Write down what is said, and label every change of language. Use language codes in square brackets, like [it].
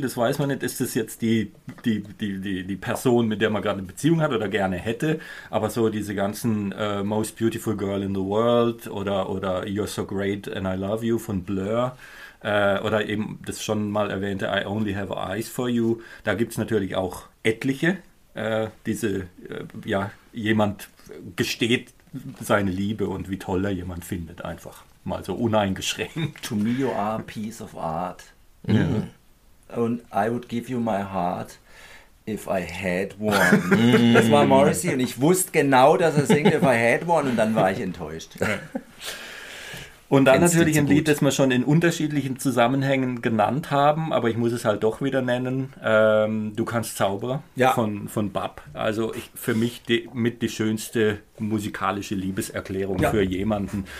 [de] Das weiß man nicht, ist das jetzt die Person, mit der man gerade eine Beziehung hat oder gerne hätte, aber so diese ganzen Most Beautiful Girl in the World oder You're So Great and I Love You von Blur, oder eben das schon mal erwähnte I Only Have Eyes For You, da gibt es natürlich auch etliche, diese, ja, jemand gesteht seine Liebe und wie toll er jemand findet, einfach mal so uneingeschränkt. [en] To me you are a piece of art. [de] Ja. [en] And I would give you my heart if I had one. [de] Das war Morrissey und ich wusste genau, dass er singt [en] if I had one [de] und dann war ich enttäuscht. Und dann natürlich ein Lied, das wir schon in unterschiedlichen Zusammenhängen genannt haben, aber ich muss es halt doch wieder nennen, Du kannst Zauberer, ja, von Bab. Also ich, für mich mit die schönste musikalische Liebeserklärung, ja, für jemanden.